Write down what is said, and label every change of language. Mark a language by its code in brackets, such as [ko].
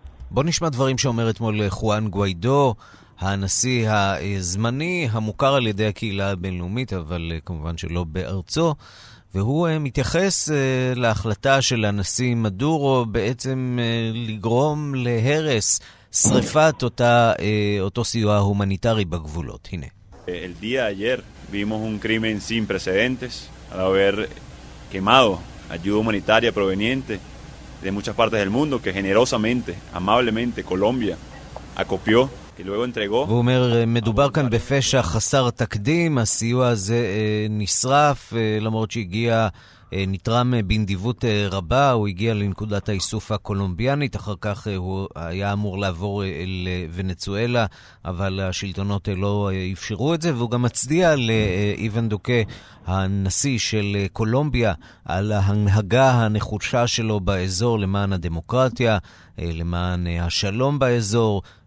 [he] בוא נשמע דברים שאומר אתמול חואן גוידו, הנשיא הזמני, המוכר על ידי הקהילה הבינלאומית, אבל כמובן שלא בארצו, והוא מתייחס להחלטה של הנשיא מדורו בעצם לגרום להרס, שריפת אותו סיוע הומניטרי בגבולות. הנה. [es] El día ayer vimos un crimen sin precedentes al haber quemado ayuda humanitaria proveniente de muchas partes del mundo que generosamente, amablemente, Colombia acopió. [he] והוא אומר, מדובר כאן בפשע חסר תקדים, הסיוע הזה נשרף, למרות שהגיע, נתרם בנדיבות רבה, הוא הגיע לנקודת האיסוף הקולומביאנית, אחר כך הוא היה אמור לעבור לוונצואלה, אבל השלטונות לא אפשרו את זה, והוא גם מצדיע לאיוון דוקה, הנשיא של קולומביה, על ההנהגה הנחושה שלו באזור למען הדמוקרטיה, למען השלום באזור,